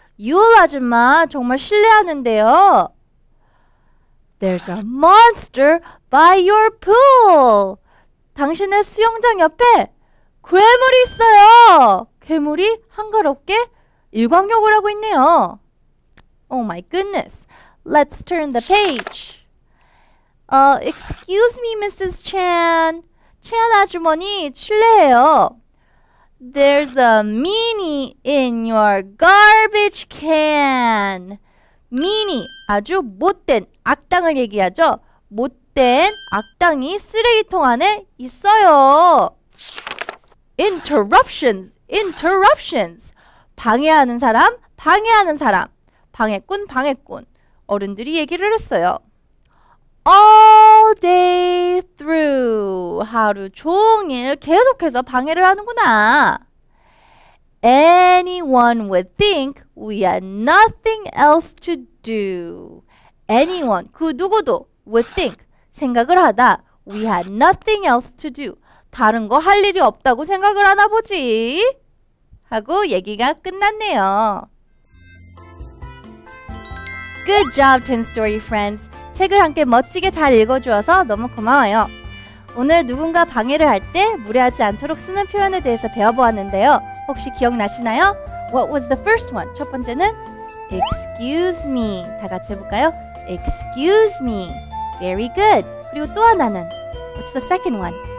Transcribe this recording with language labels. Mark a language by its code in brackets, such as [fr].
[ko] Yule 아줌마, 정말 실례하는데요. [en] There's a monster by your pool. [ko] 당신의 수영장 옆에 괴물이 있어요. 괴물이 한가롭게 일광욕을 하고 있네요. [en] Oh my goodness. Let's turn the page. Excuse me, Mrs. Chan. [ko] Chan 아주머니, 실례해요. [en] There's a meanie in your garbage can. [ko] Meanie, 아주 못된 악당을 얘기하죠. 못된 악당이 쓰레기통 안에 있어요. [en] Interruptions, interruptions. [ko] 방해하는 사람, 방해하는 사람. 방해꾼, 방해꾼. 어른들이 얘기를 했어요. [en] All day through. [ko] 하루 종일 계속해서 방해를 하는구나. [en] Anyone would think we had nothing else to do. Anyone, [ko] 그 누구도 [en] would think. [ko] 생각을 하다, [en] we had nothing else to do. [ko] 다른 거 할 일이 없다고 생각을 하나 보지. 하고 얘기가 끝났네요. [en] Good job, 10 Story Friends. [ko] 책을 함께 멋지게 잘 읽어주어서 너무 고마워요. 오늘 누군가 방해를 할 때 무례하지 않도록 쓰는 표현에 대해서 배워보았는데요. 혹시 기억나시나요? [en] What was the first one? [ko] 첫 번째는 [en] Excuse me. [ko] 다 같이 해볼까요? [en] Excuse me. Very good. [ko] 그리고 또 하나는 [en] What's the second one?